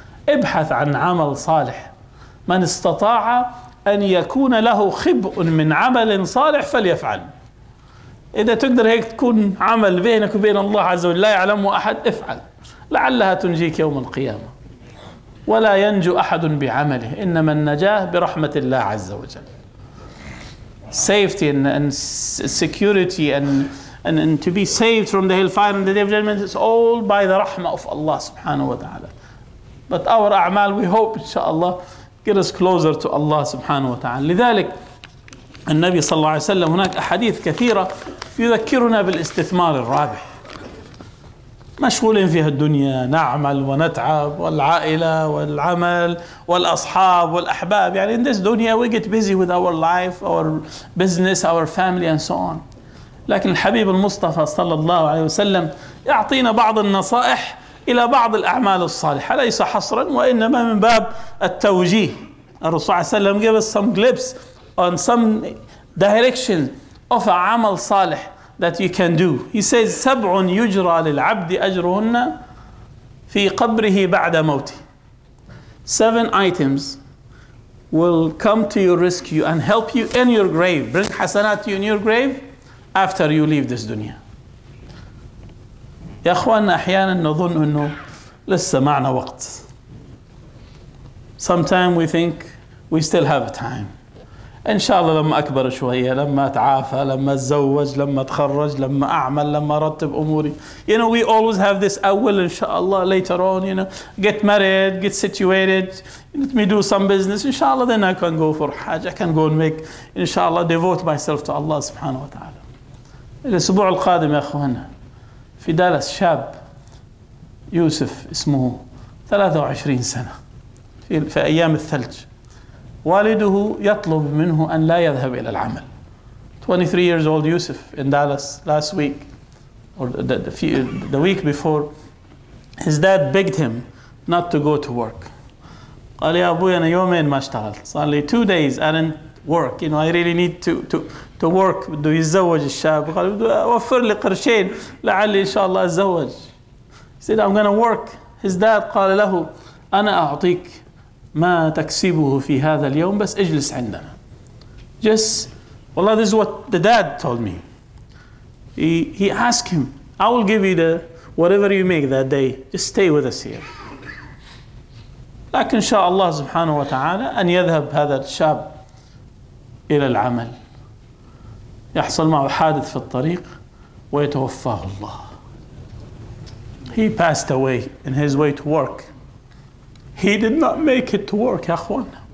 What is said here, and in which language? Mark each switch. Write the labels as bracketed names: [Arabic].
[Arabic] ابحث عن عمل صالح، من استطاع أن يكون له خبء من عمل صالح فليفعل. إذا تقدر هيك تكون عمل بينك وبين الله عز وجل لا يعلمه أحد، افعل، لعلها تنجيك يوم القيامة. ولا ينجو أحد بعمله، إنما النجاة برحمة الله عز وجل. [English] Safety and security and to be saved from the hellfire and the day of judgment is all by the rahmah of Allah subhanahu wa ta'ala. But our a'mal, we hope inshaAllah, get us closer to Allah subhanahu wa ta'ala. [Arabic] لذلك النبي صلى الله عليه وسلم هناك أحاديث كثيرة يذكرنا بالاستثمار الرابح. مشغولين فيها الدنيا، نعمل ونتعب، والعائلة والعمل والأصحاب والأحباب، يعني [English] in this dunya we get busy with our life, our business, our family and so on. [Arabic] لكن الحبيب المصطفى صلى الله عليه وسلم يعطينا بعض النصائح إلى بعض الأعمال الصالحة، ليس حصرا وإنما من باب التوجيه. الرسول صلى الله عليه وسلم [English] gave us some glimpses on some direction of a [Arabic] عمل صالح [English] that you can do. He says [Arabic] سبع يجرى للعبد أجرهن في قبره بعد موته. [English] Seven items will come to your rescue and help you in your grave, bring حسنات you in your grave after you leave this dunya. [Arabic] يا أخوانا أحيانا نظن أنه لسه معنا وقت. [English] Sometime we think we still have time. [Arabic] إن شاء الله لما أكبر شوية، لما أتعافى، لما أتزوج، لما أتخرج، لما أعمل، لما أرتب أموري. [English] You know we always have this [Arabic] أول إن شاء الله [English] later on. You know get married, get situated. Let me do some business. إن شاء الله then I can go for حاجة. I can go and make إن شاء الله devote myself to Allah سبحانه وتعالى. [Arabic] الأسبوع القادم يا أخوانا في دالاس شاب يوسف اسمه 23 سنة في أيام الثلج. والده يطلب منه أن لا يذهب إلى العمل. [English] 23 years old Yusuf in Dallas last week or the week before, his dad begged him not to go to work. [Arabic] قال يا أبوي أنا يومين ما اشتغلت. [English] It's only 2 days I didn't work. You know I really need to work. [Arabic] بده يتزوج الشاب. قال وفر لي قرشين لعلي إن شاء الله أتزوج. [English] He said I'm gonna work. His dad [Arabic] قال له أنا أعطيك ما تكسبه في هذا اليوم بس اجلس عندنا. [English] Just والله this is what the dad told me. He asked him, I will give you the whatever you make that day. Just stay with us here. [Arabic] لكن شاء الله سبحانه وتعالى أن يذهب هذا الشاب إلى العمل. يحصل معه حادث في الطريق ويتوفاه الله. [English] He passed away in his way to work. He did not make it to work, [Arabic] يا أخوان.